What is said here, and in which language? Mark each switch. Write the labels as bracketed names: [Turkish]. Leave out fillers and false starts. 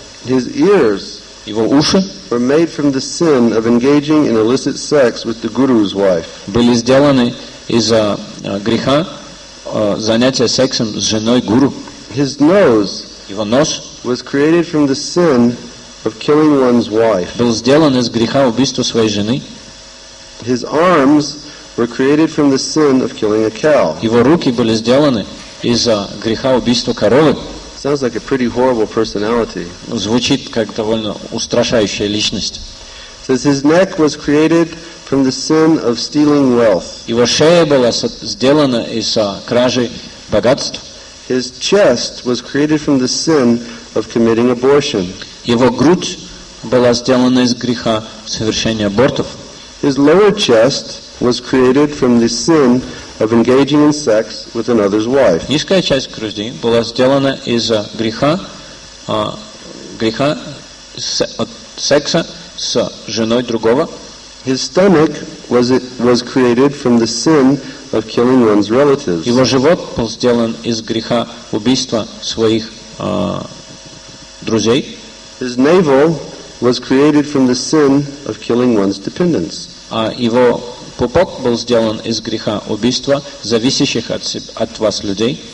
[English] His ears, [Russian] его уши, [English] were made from the sin of engaging in illicit sex with the guru's wife. [Russian] Были сделаны из-за греха занятия сексом с женой гуру. [English] His nose, [Russian] его нос, [English] was created from the sin of killing one's wife. [Russian] Был сделан из греха убийства своей жены. [English] His arms were created from the sin of killing a cow. [Russian] Его руки были сделаны из-за греха убийства коровы. [English] Sounds like a pretty horrible personality. [Russian] Звучит как довольно устрашающая личность. [English] Says his neck was created from the sin of stealing wealth. [Russian] Его шея была сделана из кражи богатств. [English] His chest was created from the sin of committing abortion. [Russian] Его грудь была сделана из греха совершения абортов. [English] His lower chest was created from the sin of engaging in sex with another's wife. [Russian] Низкая часть груди была сделана из греха греха от секса с женой другого. [English] His stomach was created from the sin of killing one's relatives. [Russian] Его живот был сделан из греха убийства своих друзей. [English] His navel was created from the sin of killing one's dependents. [Russian] А его пупок был сделан из греха убийства зависящих от вас людей.